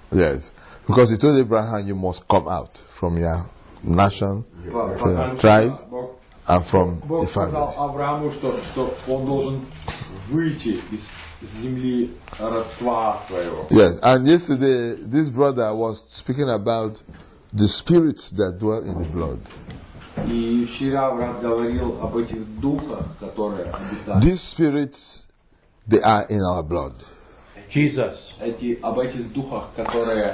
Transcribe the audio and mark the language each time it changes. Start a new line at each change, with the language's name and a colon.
English: Yes, because he told Abraham, you must come out from your nation, from your tribe, and from the family.
Russian: Бог сказал Аврааму, что он должен выйти из земли родства своего.
English: Yes, and yesterday this brother was speaking about the spirits that dwell in the blood.
Russian: И вчера брат говорил об этих духах, которые обитают.
English: These spirits, they are in our blood. Jesus.
Russian: Эти об этих духах, которые.